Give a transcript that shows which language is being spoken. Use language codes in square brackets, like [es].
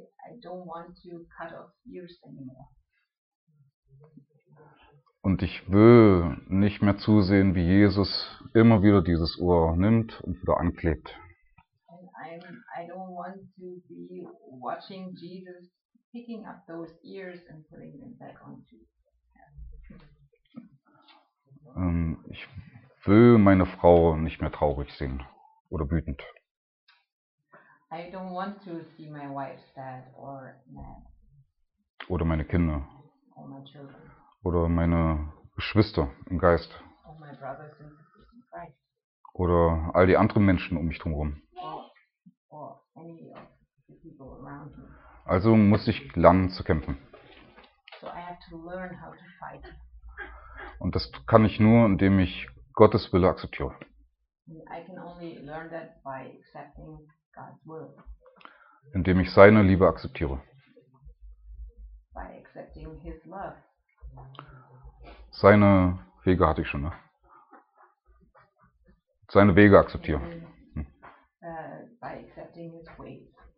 [en] I don't want to cut off ears anymore. [de] Und ich will nicht mehr zusehen, wie Jesus immer wieder dieses Ohr nimmt und wieder anklebt. [en] I don't want to be watching Jesus picking up those ears and putting them back on you. [de] Ich will meine Frau nicht mehr traurig sehen oder wütend. [en] I don't want to see my wife sad or mad. [de] Oder meine Kinder. [en] Or my children. [de] Oder meine Geschwister im Geist. [en] Or my brothers and sisters in Christ. [de] Oder all die anderen Menschen um mich drumherum. [en] Or any of the people around me. [de] Also muss ich lernen zu kämpfen. [en] So I have to learn how to fight. [de] Und das kann ich nur, indem ich Gottes Wille akzeptiere. [en] I can only learn that by accepting God's will. [de] Indem ich seine Liebe akzeptiere. [en] By accepting his love. [de] Seine Wege hatte ich schon, ne? Seine Wege akzeptiere. [en] By accepting his ways.